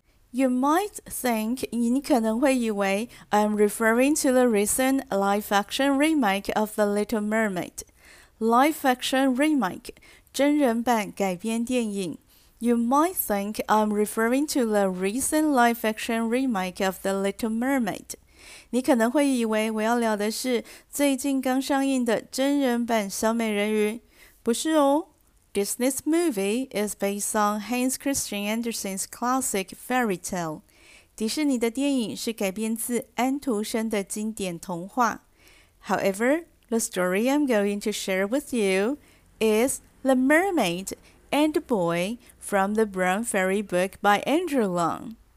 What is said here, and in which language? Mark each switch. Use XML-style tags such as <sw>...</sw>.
<en>You might think,</en> <zh>你可能会以为</zh> <en>I'm referring to the recent live-action remake of The Little Mermaid.</en> <zh>Live-action remake, 真人版改编电影。</zh> <en>You might think I'm referring to the recent live-action remake of The Little Mermaid.</en> <zh>你可能会以为我要聊的是最近刚上映的真人版小美人鱼。不是哦。</zh> <en>Disney's movie is based on Hans Christian Andersen's classic fairy tale.</en> <zh>迪士尼的电影是改编自安徒生的经典童话。</zh> <en>However, the story I'm going to share with you is The Mermaid and the Boy from the Brown Fairy Book by Andrew Long.</en>